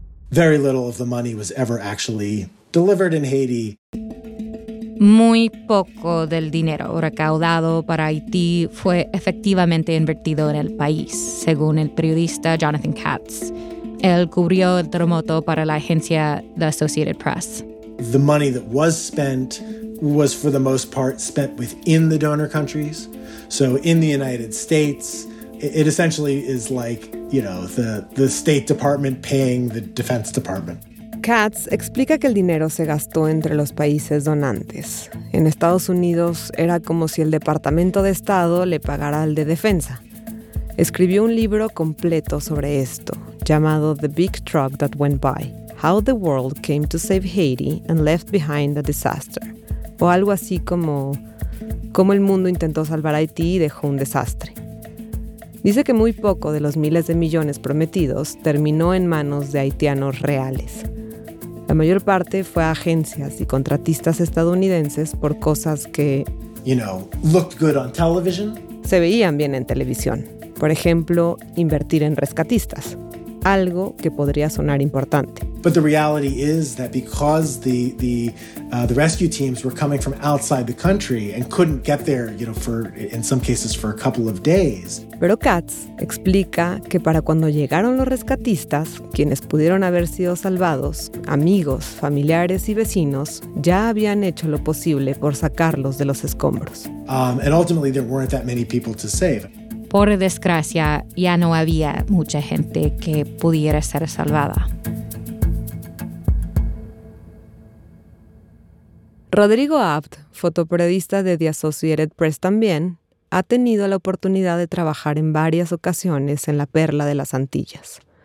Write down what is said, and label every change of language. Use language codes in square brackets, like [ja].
[en] Very little of the money was ever actually delivered in Haiti. [es] Muy poco del dinero recaudado para Haití fue efectivamente invertido en el país, según el periodista Jonathan Katz. Él cubrió el terremoto para la agencia The Associated Press. [en] The money that was spent was for the most part spent within the donor countries. So in the United States, it essentially is like, you know, the State Department paying the Defense Department. [es] Katz explica que el dinero se gastó entre los países donantes. En Estados Unidos era como si el Departamento de Estado le pagara al de Defensa. Escribió un libro completo sobre esto, llamado The Big Truck That Went By, How the World Came to Save Haiti and Left Behind a Disaster, o algo así como cómo el mundo intentó salvar a Haití y dejó un desastre. Dice que muy poco de los miles de millones prometidos terminó en manos de haitianos reales. La mayor parte fue a agencias y contratistas estadounidenses por cosas que, [en] you know, looked good on television. [es] Se veían bien en televisión. Por ejemplo, invertir en rescatistas, algo que podría sonar importante. [en] But the reality is that because the rescue teams were coming from outside the country and couldn't get there, you know, for in some cases for a couple of days. [es] Pero Katz explica que para cuando llegaron los rescatistas, quienes pudieron haber sido salvados, amigos, familiares y vecinos, ya habían hecho lo posible por sacarlos de los escombros. [en] And ultimately there weren't that many people to save. [es] Por desgracia, ya no había mucha gente que pudiera ser salvada. Rodrigo Abt, fotoperiodista de The Associated Press también, ha tenido la oportunidad de trabajar en varias ocasiones en la Perla de las Antillas.